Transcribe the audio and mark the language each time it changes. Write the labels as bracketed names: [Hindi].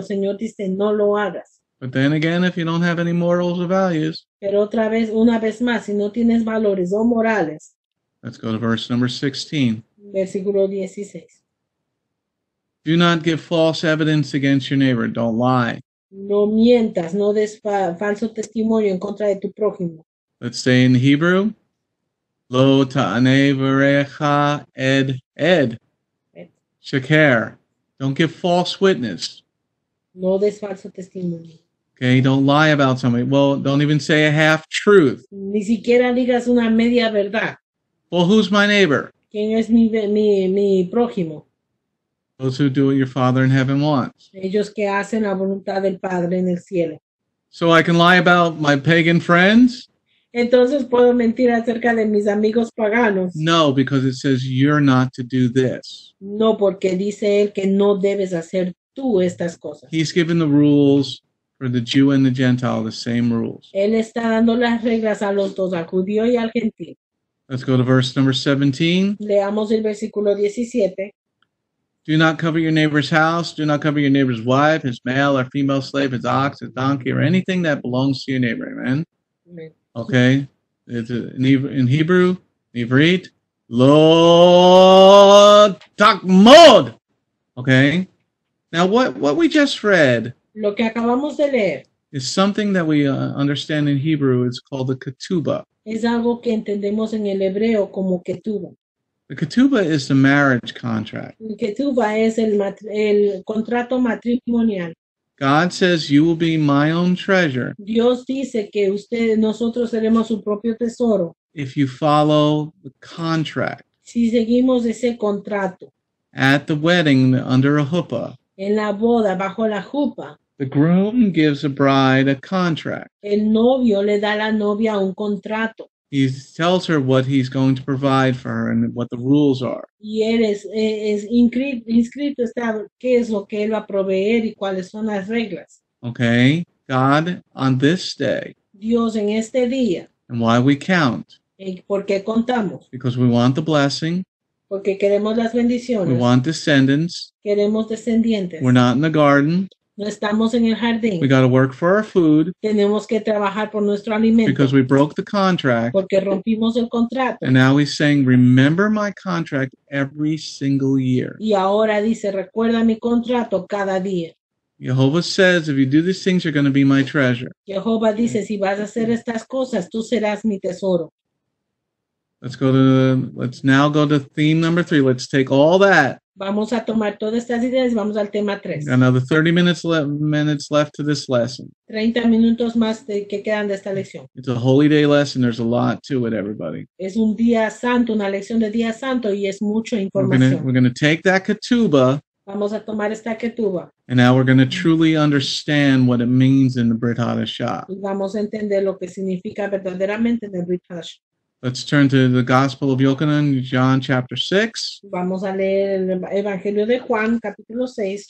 [Spanish] Señor dice, no lo hagas. [English] But then again, if you don't have any morals or values. [Spanish] Pero otra vez, una vez más, si no tienes valores o morales. [English] Let's go to verse number 16. [Spanish] Versículo 16. [English] Do not give false evidence against your neighbor. Don't lie. [Spanish] No mientas, no des falso testimonio en contra de tu prójimo. [English] Let's say in Hebrew, [Hebrew] lo ta'aneh v'recha ed. Shaker. [English] Don't give false witness. [Spanish] No des falso testimonio. [English] Okay, don't lie about somebody. Well, don't even say a half truth. [Spanish] Ni siquiera digas una media verdad. [English] Well, who's my neighbor? [Spanish] ¿Quién es mi prójimo? [English] Those who do what your Father in heaven wants. [Spanish] Ellos que hacen la voluntad del Padre en el cielo. [English] So I can lie about my pagan friends? [Spanish] Entonces puedo mentir acerca de mis amigos paganos. [English] No, because it says you're not to do this. [Spanish] No, porque dice él que no debes hacer tú estas cosas. [English] He's given the rules for the Jew and the Gentile, the same rules. [Spanish] Él está dando las reglas a los dos, al judío y al gentil. [English] Let's go to verse number 17. [Spanish] Leamos el versículo 17. [English] Do not cover your neighbor's house. Do not cover your neighbor's wife, his male or female slave, his ox, his donkey, or anything that belongs to your neighbor. Amen? Okay. In Hebrew, Ivrit, [Hebrew] lo takmod. [English] Okay. Now, what we just read, [Spanish] lo que acabamos de leer, [English] is something that we understand in Hebrew. It's called the ketubah. [Spanish] Es algo que entendemos en el hebreo como ketubah. [English] The ketubah is the marriage contract. [Spanish] El ketubah es el contrato matrimonial. [English] God says you will be my own treasure. [Spanish] Dios dice que usted, nosotros seremos su propio tesoro. [English] If you follow the contract. [Spanish] Si seguimos ese contrato. [English] At the wedding, under a chuppah. [Spanish] En la boda, bajo la chuppah. [English] The groom gives a bride a contract. [Spanish] El novio le da a la novia un contrato. [English] He tells her what he's going to provide for her and what the rules are. [Spanish] Y él es inscrito está qué es lo que él va a proveer y cuáles son las reglas. [English] Okay, God, on this day. [Spanish] Dios en este día. [English] And why we count. [Spanish] ¿Por qué contamos? [English] Because we want the blessing. [Spanish] Porque queremos las bendiciones. [English] We want descendants. [Spanish] Queremos descendientes. [English] We're not in the garden. [Spanish] No estamos en el jardín. [English] We got to work for our food. [Spanish] Tenemos que trabajar por nuestro alimento. [English] Because we broke the contract. [Spanish] Porque rompimos el contrato. [English] And now he's saying, remember my contract every single year. [Spanish] Y ahora dice, recuerda mi contrato cada día. [English] Jehovah says, if you do these things, you're going to be my treasure. [Spanish] Jehovah dice, si vas a hacer estas cosas, tú serás mi tesoro. [English] Let's now go to theme number three. Let's take all that. [Spanish] Vamos a tomar todas estas ideas y vamos al tema tres. [English] Another 30 minutes left to this lesson. [Spanish] 30 minutos más que quedan de esta lección. [English] It's a holy day lesson. There's a lot to it, everybody. [Spanish] Es un día santo, una lección de día santo y es mucha información. [English] We're going to take that ketubah. [Spanish] Vamos a tomar esta ketubah. [English] And now we're going to truly understand what it means in the Brit Hadashah. [Spanish] Y vamos a entender lo que significa verdaderamente en el Brit Hadashah. [English] Let's turn to the Gospel of Yochanan, John chapter 6. [Spanish] Vamos a leer el Evangelio de Juan, capítulo 6.